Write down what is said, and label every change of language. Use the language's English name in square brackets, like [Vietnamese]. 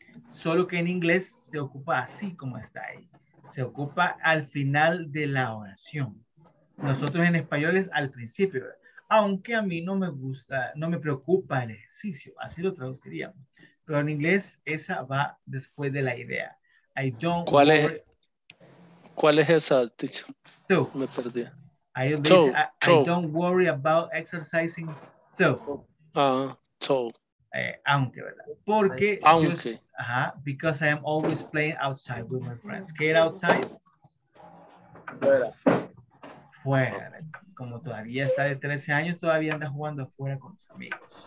[Spanish] Solo que en inglés se ocupa así como está ahí. Se ocupa al final de la oración. Nosotros en español es al principio, ¿verdad? Aunque a mí no me gusta, no me preocupa el ejercicio, así lo traduciríamos. Pero en inglés esa va después de la idea. [English] I don't. [Spanish] ¿Cuál es? ¿Cuál es esa, teacher? [English] Two. [Spanish] Me perdí. Ahí dice, [English] I don't worry about exercising too. Ah, so. [Spanish] Aunque, ¿verdad? Porque. Aunque. [English] Ajá, because I am always playing outside with my friends. Get outside. [Spanish] Fuera. Fuera. Como todavía está de 13 años, todavía anda jugando afuera con sus amigos.